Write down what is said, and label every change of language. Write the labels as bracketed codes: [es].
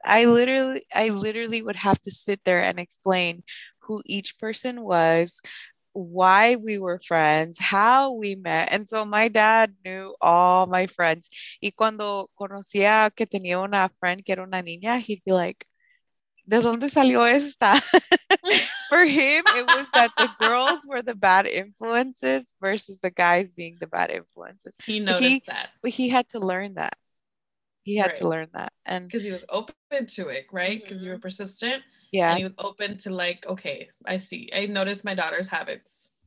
[en] I literally would have to sit there and explain who each person was, why we were friends, how we met. And so my dad knew all my friends. [es] Y cuando conocía que tenía una friend que era una niña, [en] he'd be like, [es] ¿De dónde salió esta? [en] For him, it was that the girls were the bad influences versus the guys being the bad influences. He noticed that. But he had to learn that. He had to learn that. And because he was open to it, right? Because you were persistent. Yeah. And he was open to like, okay, I see. I noticed my daughter's habits.